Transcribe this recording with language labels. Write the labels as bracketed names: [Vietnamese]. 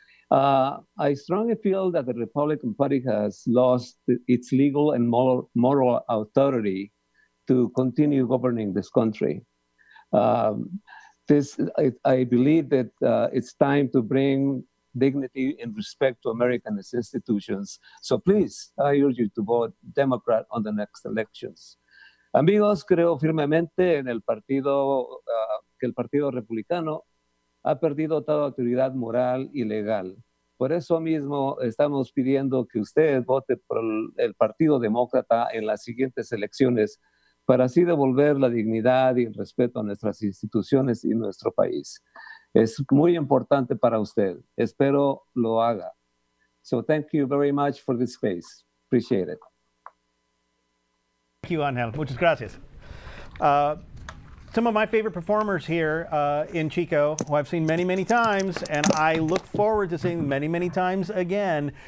[English] I strongly feel that the Republican Party has lost its legal and moral authority to continue governing this country. I believe that it's time to bring dignity and respect to American institutions. So please, I urge you to vote Democrat on the next elections. [Spanish] Amigos, creo firmemente en el partido, que el Partido Republicano ha perdido toda autoridad moral y legal. Por eso mismo estamos pidiendo que usted vote por el Partido Demócrata en las siguientes elecciones para así devolver la dignidad y el respeto a nuestras instituciones y nuestro país. Es muy importante para usted. Espero lo haga. [English] So thank you very much for this space. Appreciate it. Thank you, Angel. [Spanish] Muchas gracias. [English] Some of my favorite performers here in Chico, who I've seen many, many times, and I look forward to seeing many, many times again.